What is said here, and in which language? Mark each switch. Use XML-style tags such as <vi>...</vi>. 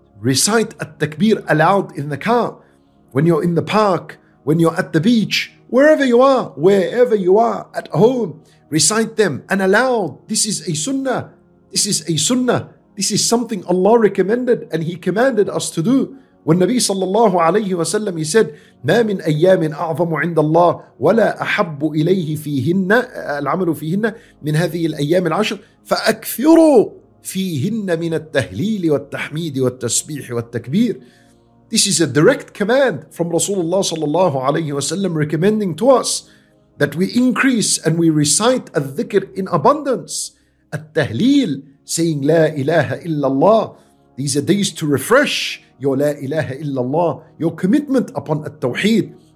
<en>recite at-takbir aloud in the car, when you're in the park, when you're at the beach, wherever you are at home, recite them and aloud. This is a sunnah. This is a sunnah. This is something Allah recommended and He commanded us to do. When Nabi sallallahu alayhi wa sallam, he said,</en> <ar>مَا مِنْ أَيَّامٍ أَعْظَمُ عِنْدَ اللَّهِ وَلَا أَحَبُّ إِلَيْهِ فِيهِنَّ الْعَمَلُ فِيهِنَّ مِنْ هَذِهِ الْأَيَّامِ الْعَشْرِ فَأَكْثِرُوا فِيهِنَّ مِنَ التَّهْلِيلِ وَالتَّحْمِيدِ وَالتَّسْبِيحِ وَالتَّكْبِيرِ.</ar> <en>This is a direct command from Rasulullah sallallahu alayhi wa sallam, recommending to us that we increase and we recite al-dhikr in abundance. At-tahleel, saying La ilaha illallah. These are days to refresh your La ilaha illallah, your commitment upon at-tawheed.</en>